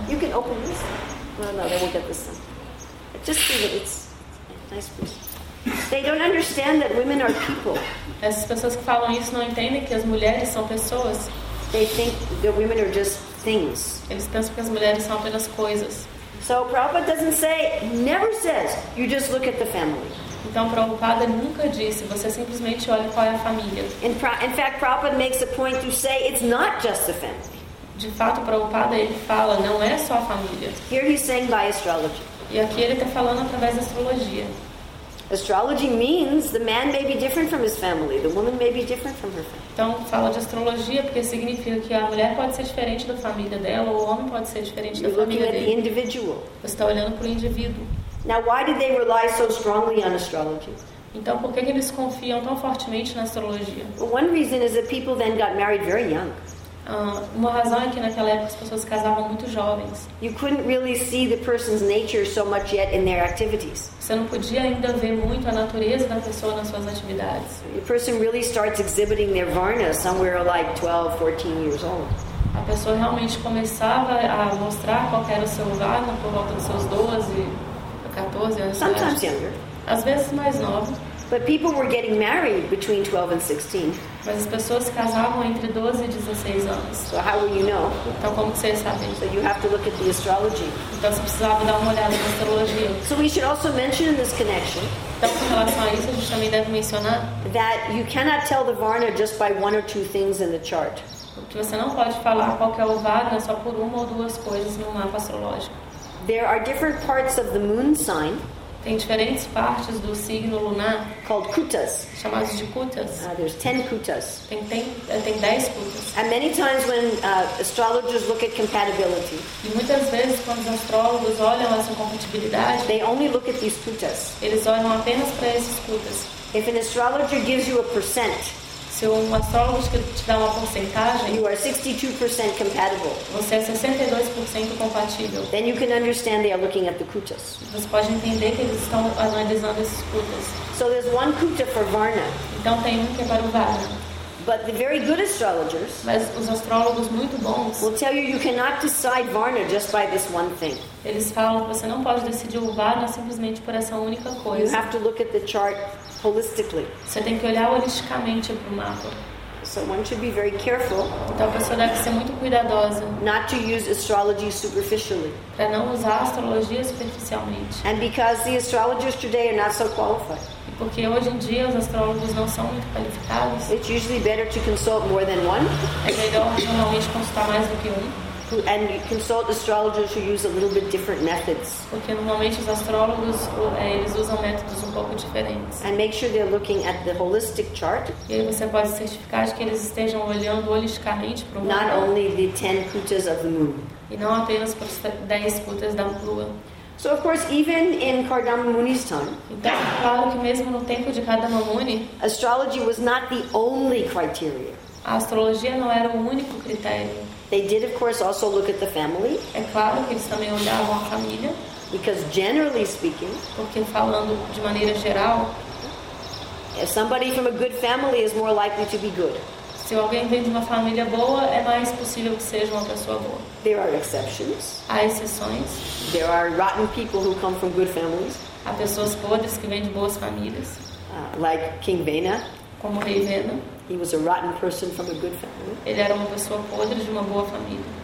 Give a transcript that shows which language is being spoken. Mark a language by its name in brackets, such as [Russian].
[English] You can open this. No, no, they won't get this one. Just leave it. It's nice. They don't understand that women are people. [Portuguese] Essas pessoas que falam isso não entendem que as mulheres são pessoas. [English] They think that women are just things. [Portuguese] Eles pensam que as mulheres são apenas coisas. [English] So Prabhupada doesn't say, never says, you just look at the family. [Portuguese] Então, Prabhupada nunca disse, você simplesmente olha qual é a família. [English] In fact, Prabhupada makes a point to say, it's not just the family. [Portuguese] De fato, Prabhupada, ele fala, não é só a família. [English] Here he's saying by astrology. [Portuguese] E aqui ele está falando através da astrologia. [English] Astrology means the man may be different from his family, the woman may be different from her family. [Portuguese] Então fala de astrologia porque significa que a mulher pode ser diferente da família dela ou o homem pode ser diferente da família dele. [English] Individual. [Portuguese] Você está olhando para o indivíduo. [English] Now why did they rely so strongly on astrology? [Portuguese] Então por que eles confiam tão fortemente na astrologia? [English] One reason is that people then got married very young. [Portuguese] Uma razão é que naquela época as pessoas casavam muito jovens. [English] You couldn't really see the person's nature so much yet in their activities. [Portuguese] Você não podia ainda ver muito a natureza da pessoa nas suas atividades. [English] The person really starts exhibiting their varna somewhere like 12, 14 years old. [Portuguese] A pessoa realmente começava a mostrar qual era o seu varna por volta dos seus 12, 14 anos. [English] Sometimes younger. [Portuguese] Às vezes mais nova. [English] But people were getting married between 12 and 16. [Portuguese] Mas as pessoas casavam entre 12 e 16 anos. [English] So how will you know? [Portuguese] Então como que vocês sabem? [English] So you have to look at the astrology. [Portuguese] Então você precisava dar uma olhada na astrologia. [English] So we should also mention in this connection. [Portuguese] Então com relação a isso a gente também deve mencionar. [English] That you cannot tell the varna just by one or two things in the chart. [Portuguese] Que você não pode falar qual que é o varna só por uma ou duas coisas no mapa astrológico. [English] There are different parts of the moon sign. [Portuguese] Tem diferentes partes do signo lunar [English] called kutas, [Portuguese] chamados de kutas. [English] There's 10 kutas. [Portuguese] Tem 10 kutas. [English] And many times when astrologers look at compatibility, [Portuguese] e muitas vezes quando os astrólogos olham essa compatibilidade, [English] they only look at these kutas. [Portuguese] Eles olham apenas para esses kutas. [English] If an astrologer gives you a percent, [Portuguese] se um astrólogo te dá uma porcentagem, [English] you are 62% compatible. [Portuguese] Você é 62% compatível. [English] Then you can understand they are looking at the kutas. [Portuguese] Você pode entender que eles estão analisando esses kutas. [English] So there's one kuta for varna. [Portuguese] Então tem um que é para o varna. [English] But the very good astrologers, [Portuguese] mas os astrólogos muito bons, [English] will tell you cannot decide varna just by this one thing. [Portuguese] Eles falam que você não pode decidir o varna simplesmente por essa única coisa. [English] You have to look at the chart holistically. [Portuguese] Você tem que olhar holisticamente para o mapa. [English] So one should be very careful. [Portuguese] Então a pessoa deve ser muito cuidadosa. [English] Not to use astrology superficially. [Portuguese] Para não usar astrologia superficialmente. [English] And because the astrologers today are not so qualified. [Portuguese] E porque hoje em dia os astrólogos não são muito qualificados. [English] It's usually better to consult more than one. [Portuguese] É melhor normalmente consultar mais do que um. [English] And you consult astrologers who use a little bit different methods. [Portuguese] Porque normalmente os astrólogos eles usam métodos um pouco diferentes. [English] And make sure they're looking at the holistic chart. [Portuguese] E você pode certificar que eles estejam olhando holisticamente para o mapa. [English] Not only the 10 kutas of the moon. [Portuguese] E não apenas para os 10 kutas da lua. [English] So of course, even in Kardama Muni's time, [Portuguese] então, claro que mesmo no tempo de Kardama Muni, [English] astrology was not the only criteria. [Portuguese] A astrologia não era o único critério. [English] They did, of course, also look at the family. [Portuguese] É claro que eles também olhavam a família. [English] Because generally speaking, [Portuguese] porque falando de maneira geral, [English] if somebody from a good family is more likely to be good. [Portuguese] Se alguém vem de uma família boa, é mais possível que seja uma pessoa boa. [English] There are exceptions. [Portuguese] Há exceções. [English] There are rotten people who come from good families. [Portuguese] Há pessoas podres que vêm de boas famílias. [English] Like King Vena. [Portuguese] Como Rei Vena. [English] He was a rotten person from a good family. [Portuguese] Ele era uma pessoa podre de uma boa família.